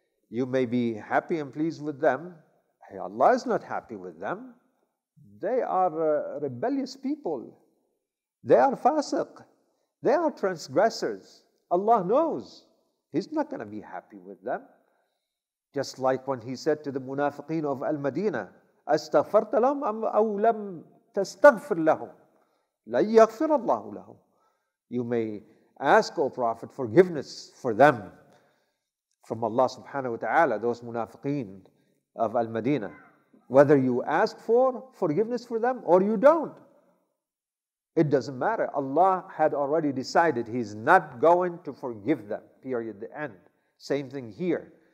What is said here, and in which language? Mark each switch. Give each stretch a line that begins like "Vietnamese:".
English: You may be happy and pleased with them. Hey, Allah is not happy with them. They are rebellious people. They are fasiq. They are transgressors. Allah knows. He's not going to be happy with them. Just like when he said to the munafiqeen of Al-Madinah,
Arabic: أَسْتَغْفَرْتَ لَهُمْ أَمْ أَوْ لَمْ تَسْتَغْفِرْ لَهُمْ لَنْ يَغْفِرَ اللَّهُ لَهُمْ.
English: You may ask, O Prophet, forgiveness for them from Allah subhanahu wa ta'ala, those munafiqeen of Al-Madinah. Whether you ask for forgiveness for them or you don't, it doesn't matter. Allah had already decided He's not going to forgive them, period, the end. Same thing here.